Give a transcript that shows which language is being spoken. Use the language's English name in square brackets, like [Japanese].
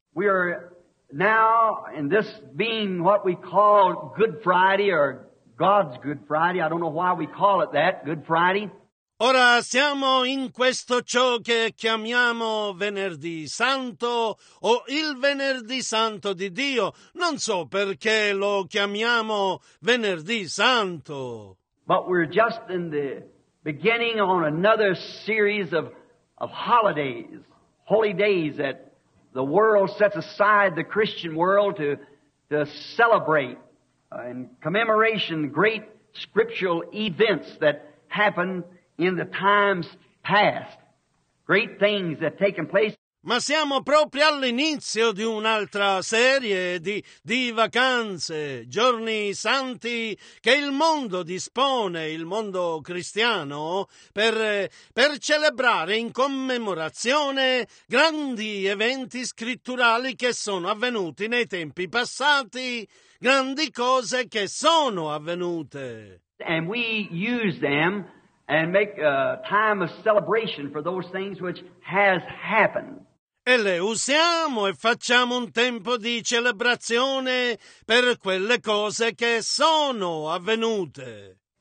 [English] We are now, in this being what we call Good Friday or God's Good Friday, I don't know why we call it that, Good Friday. [Italian] Ora siamo in questo ciò che chiamiamo Venerdì Santo o il Venerdì Santo di Dio. Non so perché lo chiamiamo Venerdì Santo. [English] But we're just in the beginning on another series of holidays, holy days that the world sets aside, the Christian world, to celebrate in commemoration great scriptural events that happened in the times past. Great things have taken place. [Italian] Ma siamo proprio all'inizio di un'altra serie di vacanze, giorni santi che il mondo dispone, il mondo cristiano, per celebrare in commemorazione grandi eventi scritturali che sono avvenuti nei tempi passati, grandi cose che sono avvenute. [English] And we use them and make a time of celebration for those things which has happened. [Italian] E le usiamo e facciamo un tempo di celebrazione per quelle cose che sono avvenute.